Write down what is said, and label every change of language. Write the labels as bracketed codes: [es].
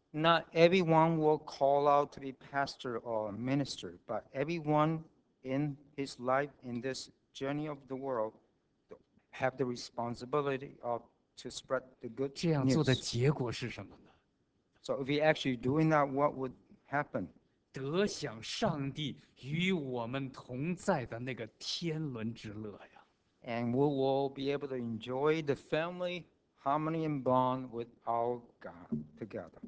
[en] Not everyone will call out to be pastor or minister, but everyone in his life in this journey of the world have the responsibility of to spread the good news. [zh] 这样做的结果是什么呢 [en] ？So if you're actually doing that, what would happen? [zh] 得享上帝与我们同在的那个天伦之乐呀 [en] ！And we will be able to enjoy the family harmony and bond with our God together.